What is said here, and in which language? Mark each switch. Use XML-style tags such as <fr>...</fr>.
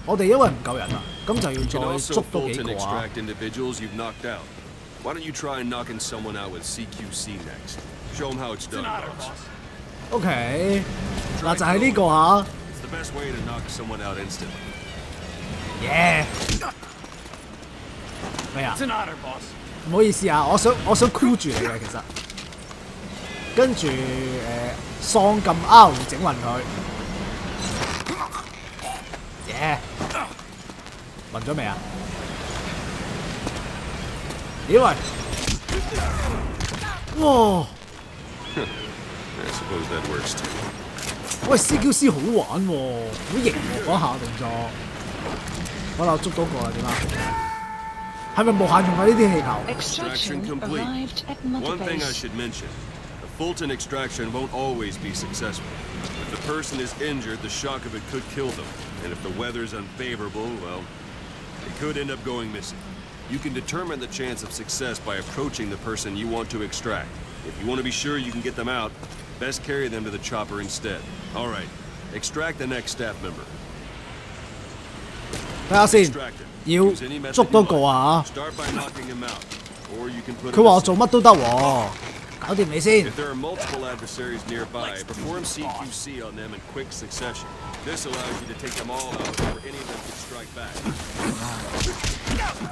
<yue>我哋因為唔夠人啦，咁就要再捉多幾個啊。</yue> <en>Extract individuals you've knocked out. Why don't you try knocking someone out with CQC next? Show them how it's done.</en> <yue>Okay, 嗱就係呢個嚇。</yue> <en>It's the best way to knock someone out instantly. Yeah.</en> <yue>咩啊？唔好意思啊，我想箍住你嘅其實，跟住喪撳 R 整暈佢，耶！暈咗未啊？因為，哇！</yue> <en>I suppose that works too.</en> <yue>喂 ，CQC 好玩喎、啊，好型喎嗰下動作，好啦，我捉到個啦，點啊？係咪無限用啊？呢啲氣球。</yue> <en>Extraction complete. One thing I should mention: the Fulton extraction won't always be successful. If the person is injured, the shock of it could kill them. And if the weather's unfavorable, well, they could end up going missing. You can determine the chance of success by approaching the person you want to extract. If you want to be sure you can get them out, best carry them to the chopper instead. All right, extract the next staff member.</en> <yue>睇下先。要捉多個啊！佢話我做乜都得喎，搞掂你先。</yue> <en>If there are multiple adversaries nearby, perform CQC on them in quick succession. This allows you to take them all out before any of them can strike back.</en>